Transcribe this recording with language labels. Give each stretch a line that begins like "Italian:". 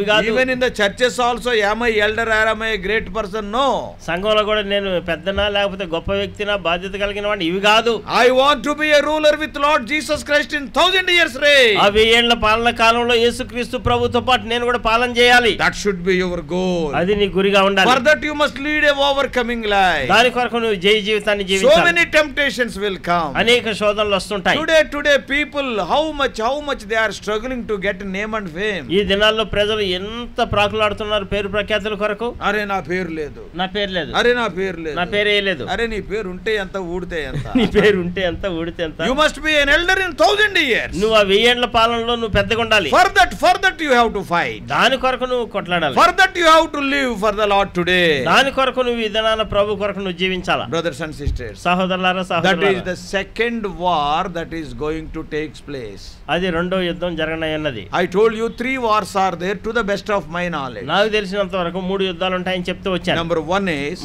English: Even in the churches also I'm a elder or I'm a great person no.
Telugu: సంఘంలో కూడా నేను పెద్దనా లేకపోతే గొప్ప వ్యక్తినా బాధ్యత కలిగిన వాడి ఇవి కాదు.
English: I want to be a ruler with Lord Jesus Christ in 1000 years range.
Telugu: ఆ 1000 ఏళ్ల పాలన కాలంలో యేసు క్రీస్తు ప్రభుతో పాటు నేను కూడా పాలన చేయాలి.
English: That should be your goal.
Telugu: అది నీ గురిగా ఉండాలి.
English: That you must lead a overcoming life.
Telugu: దాని కొరకు నువ్వు జయ జీవితాన్ని జీవించాలి.
English: So many temptations will come.
Telugu: అనేక శోధనలు వస్తుంటాయి.
English: Today people how much they are struggling to get name and fame.
Telugu: ఈ దినాల్లో ప్రజలు ఎంత ప్రాకులాడుతున్నారు పేరు ప్రఖ్యాతుల కొరకు. అరే నా పేరు లేదు. నా పేరు లేదు. అరే నా పేరు లేదు. నా పేరు ఏలేదు. అరే నీ పేరు ఉంటే ఎంత ఊడితే ఎంత. నీ పేరు ఉంటే ఎంత ఊడితే ఎంత.
English: You must be an elder in 1000 years.
Telugu: నువ్వు ఆ 1000 ఏళ్ల పాలనలో నువ్వు పెద్దగా ఉండాలి.
English: For that you have to fight.
Telugu: దాని కొరకు నువ్వు కొట్లాడాలి.
English: For that you have to live for the Lord today.
Telugu: దాని కొరకు నువ్వు విధానాల ప్రభు కొరకు నువ్వు జీవించాలి.
English: brothers and sisters
Telugu: సహోదరులారా సహోదరులారా,
English: That is the second war that is going to take place.
Telugu: అది రెండో యుద్ధం జరగనయ్యన్నది.
English: I told you 3 wars are there to the best of my knowledge.
Telugu: నాకు తెలిసినంత వరకు మూడు యుద్ధాలు ఉంటాయని చెప్తూ వచ్చాను.
English: number 1 is